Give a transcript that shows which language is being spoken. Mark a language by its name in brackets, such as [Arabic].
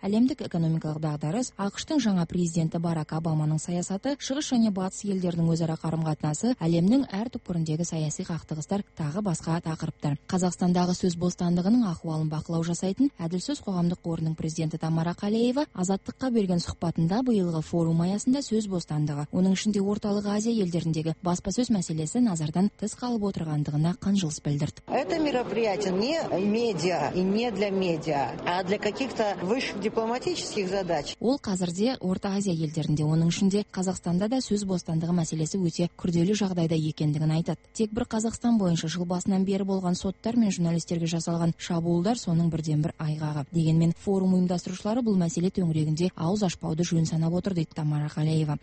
[Kazakh] Әлемдік экономикалық дағдарыс, ақштың жаңа президенті Барак Обаманың саясаты, шығыс және батыс елдерінің өзара қарым-қатынасы, әлемнің әр түкпіріндегі саяси қақтығыстар тағы басқа тақырыптар. Қазақстанда сөз бостандығының ахуалын бақылау жасайтын әділ сөз қоғамдық қорының президенті Тамара Қалеева Азаттыққа берген сұхбатында биылғы форум аясында сөз бостандығы, оның ішінде Орталық Азия елдеріндегі баспасөз мәселесі назардан тыс қалып отырғандығына қынжылыс білдірді. [Russian] Это мероприятие не медиа и не для медиа, а для каких-то высших дипломатических задач. [Kazakh] Ол қазірде Орта Азия елдерінде, оның ішінде Қазақстанда да сөз бостандығы мәселесі өте күрделі жағдайда екендігін айтады. Тек бір Қазақстан бойынша жыл басынан бері болған соттар мен журналистерге жасалған шабуылдар соның бірден бір айғағы. Дегенмен форум ұйымдастырушылары бұл мәселе төңірегінде ауыз ашпауды жөн санап отыр, дейді Тамара Қалеева.